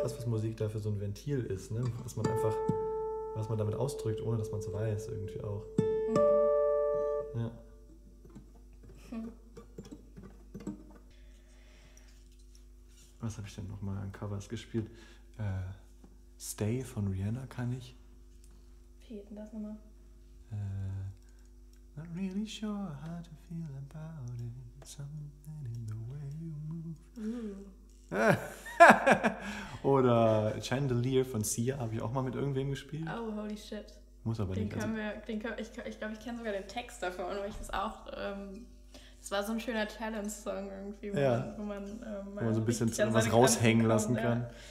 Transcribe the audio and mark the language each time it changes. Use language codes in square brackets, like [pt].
[de] Krass, was Musik da für so ein Ventil ist, ne? Dass man einfach... was man damit ausdrückt, ohne dass man es weiß, irgendwie auch. Mhm. Ja. Was habe ich denn nochmal an Covers gespielt? Stay von Rihanna kann ich. Wie geht denn das nochmal? [en] Not really sure how to feel about it. Something in the way you move. Mhm. [de] Oder Chandelier von Sia habe ich auch mal mit irgendwem gespielt. [en] Oh, holy shit. [de] Muss aber den nicht. Ich glaube, ich kenne sogar den Text davon, weil ich das auch. Das war so ein schöner Challenge-Song irgendwie, ja. wo man so ein bisschen was raushängen lassen kann.